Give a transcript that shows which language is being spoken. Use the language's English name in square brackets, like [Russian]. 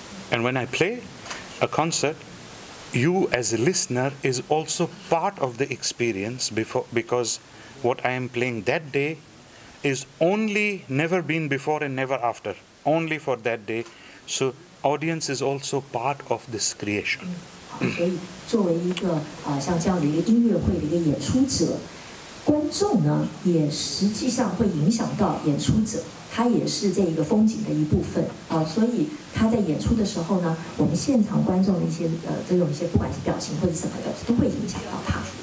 [English] And when I play a concert. You as a listener is also part of the experience because what I am playing that day is only never been before and never after, only for that day. So audience is also part of this creation. [Chinese] 作为一个像这样的一个音乐会的一个演出者，观众呢也实际上会影响到演出者，他也是这一个风景的一部分所以他在演出的时候呢，我们现场观众的一些这种一些不管是表情或者什么的，都会影响到他。